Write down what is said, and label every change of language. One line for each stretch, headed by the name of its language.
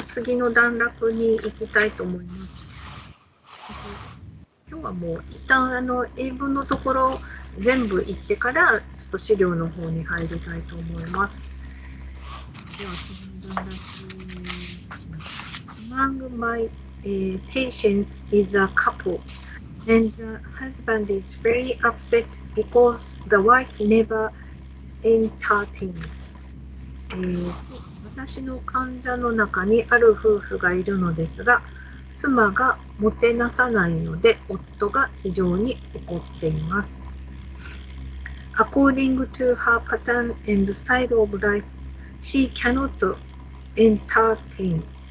Japanese: じゃあ次の段落に行きたいと思います。今日はもう一旦英文のところ全部行ってからちょっと資料の方に入りたいと思います。では次の段落に行きます。
English: Among my patients is a couple, and the husband is very upset because the wife never entertains.
Japanese: 私の患者の中にある夫婦がいるのですが、妻がもてなさないので夫が非常に怒っています。
English: According to her pattern and style of life, she cannot entertain.